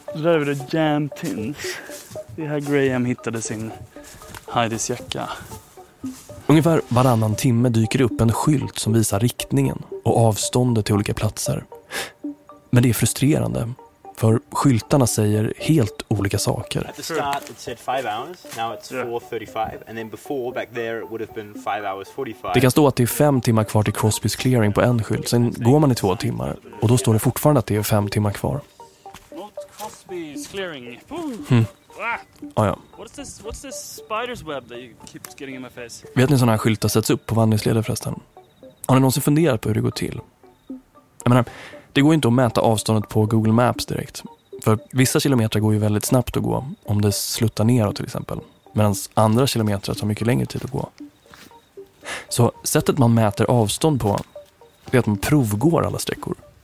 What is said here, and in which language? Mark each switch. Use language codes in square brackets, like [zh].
[sv] Det där är The Jam Tins. Det är här Graham hittade sin Heidis jacka. Ungefär varannan timme dyker upp en skylt som visar riktningen och avståndet till olika platser. Men det är frustrerande. För skyltarna säger helt olika saker. [en] At the start it said 5 hours, now it's 4:35, and then before back there it would have been 5 hours 45. [sv] Det kan stå att det är 5 timmar kvar till Crosby's Clearing på en skylt, sen går man i 2 timmar och då står det fortfarande att det är 5 timmar kvar. [en] Not Crosby's Clearing. [sv] Ah, ja. [en] What's this spider's web that you keep getting in my face? [sv] Vet ni sådana här skyltar sätts upp på vandringsleder förresten? Har ni någonsin funderat på hur det går till? Jag menar, det går inte att mäta avståndet på Google Maps direkt. För vissa kilometer går ju väldigt snabbt att gå, om det sluttar neråt till exempel. Medan andra kilometer tar mycket längre tid att gå. Så sättet man mäter avstånd på är att man provgår alla sträckor.